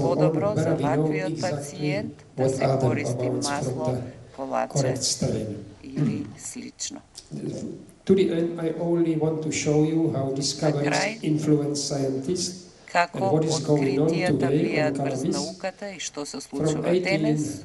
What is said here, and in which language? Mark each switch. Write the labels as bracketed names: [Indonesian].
[Macedonian] подобро за ваквиот пациент да се користи масло, колаче или слично. [English] To the end, I only want to show you how discoveries influence scientists. [Macedonian] Како откритијата влијаат врз науката и што се случува денес,